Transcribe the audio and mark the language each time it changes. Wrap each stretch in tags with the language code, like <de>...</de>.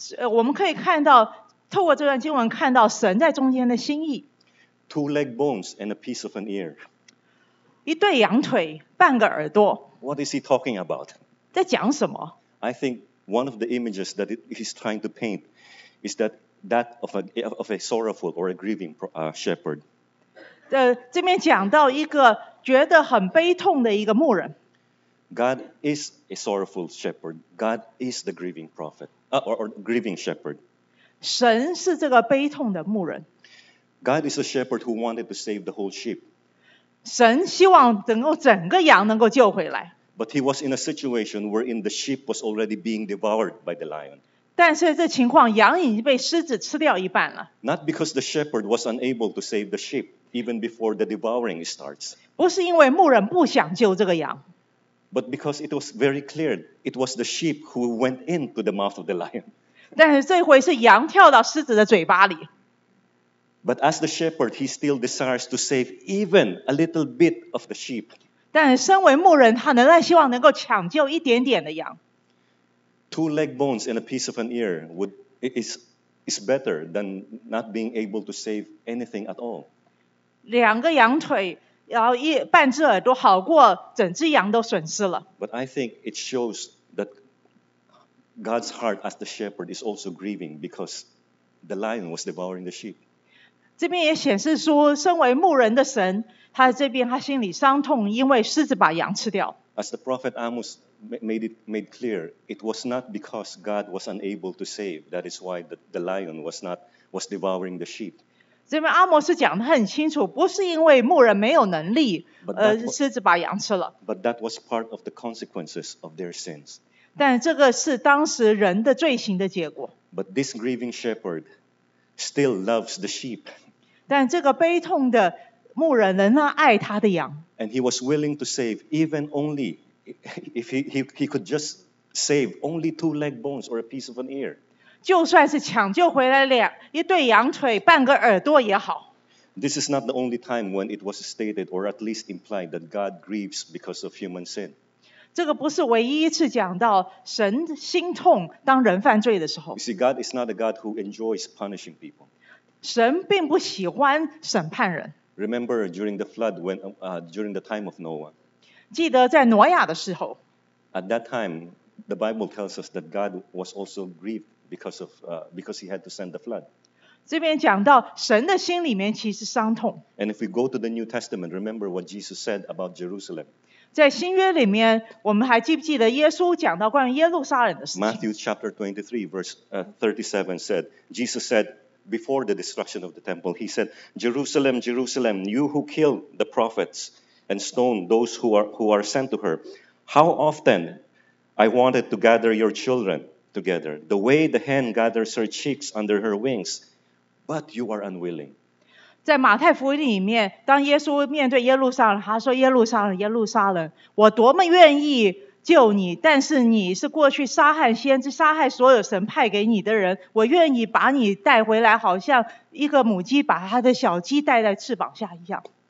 <zh>我们可以看到透过这段经文看到神在中间的心意</zh> <en>Two leg bones and a piece of an ear.</en> <zh>一对羊腿半个耳朵</zh> <en>What is he talking about?</en> <zh>在讲什么</zh> <en>I think one of the images that he's trying to paintis that of a sorrowful or a grieving shepherd.</en> <zh>这边讲到一个觉得很悲痛的一个牧人。</zh> <en>God is a sorrowful shepherd. God is the grieving prophet, or grieving shepherd.</en> <zh>神是这个悲痛的牧人。</zh> <en>God is a shepherd who wanted to save the whole sheep.</en> <zh>神希望能够整个羊能够救回来。</zh> <en>But he was in a situation wherein the sheep was already being devoured by the lion.</en> <zh>但是这情况，羊已经被狮子吃掉一半了。</zh> <en>Not because the shepherd was unable to save the sheep even before the devouring starts.</en> <zh>不是因为牧人不想救这个羊。</zh> <en>But because it was very clear, it was the sheep who went into the mouth of the lion.</en> <zh>但是这回是羊跳到狮子的嘴巴里。</zh> <en>But as the shepherd, he still desires to save even a little bit of the sheep.</en> <zh>但身为牧人，他仍然希望能够抢救一点点的羊。</zh> <en>Two leg bones and a piece of an ear is better than not being able to save anything at all.</en> <zh>两个羊腿，然后半只耳朵，好过整只羊都损失了。</zh> <en>But I think it shows that God's heart as the shepherd is also grieving because the lion was devouring the sheep.</en> <zh>这边也显示出，身为牧人的神，他这边他心里伤痛，因为狮子把羊吃掉。</zh> <en>As the prophet Amos made clear, it was not because God was unable to save. That is why the lion was devouring the sheep.</en> <zh>这边阿摩斯讲得很清楚，不是因为牧人没有能力，狮子把羊吃了。</zh> <en>But that was part of the consequences of their sins.</en> <zh>但这个是当时人的罪行的结果。</zh> <en>But this grieving shepherd still loves the sheep.</en> <zh>但这个悲痛的牧人仍然爱他的羊。</zh> <en>And he was willing to save even only if he could just save only two leg bones or a piece of an ear.</en> <zh>就算是抢救回来两一对羊腿半个耳朵也好。</zh> <en>This is not the only time when it was stated or at least implied that God grieves because of human sin.</en> <zh>这个不是唯一一次讲到神心痛当人犯罪的时候。</zh> <en>You see, God is not a God who enjoys punishing people.</en> <zh>神并不喜欢审判人。</zh> <en>Remember during the flood, when, during the time of Noah.</en> <zh>记得在挪亚的时候。</zh> <en>At that time, the Bible tells us that God was also grieved because he had to send the flood.</en> <zh>这边讲到神的心里面其实伤痛。</zh> <en>And if we go to the New Testament, remember what Jesus said about Jerusalem.</en> <zh>在新约里面，我们还记不记得耶稣讲到关于耶路撒冷的事情？</zh> <en>Matthew chapter 23, verse 37 said, Jesus said,Before the destruction of the temple, he said, Jerusalem, Jerusalem, you who kill the prophets and stone those who are sent to her, how often I wanted to gather your children together, the way the hen gathers her chicks under her wings, but you are unwilling.</en> <zh>在马太福音里面，当耶稣面对耶路撒冷，他说耶路撒冷，耶路撒冷，我多么愿意救你，但是你是过去杀害先知、杀害所有神派给你的人。我愿意把你带回来，好像一个母鸡把它的小鸡带在翅膀下一样。</zh>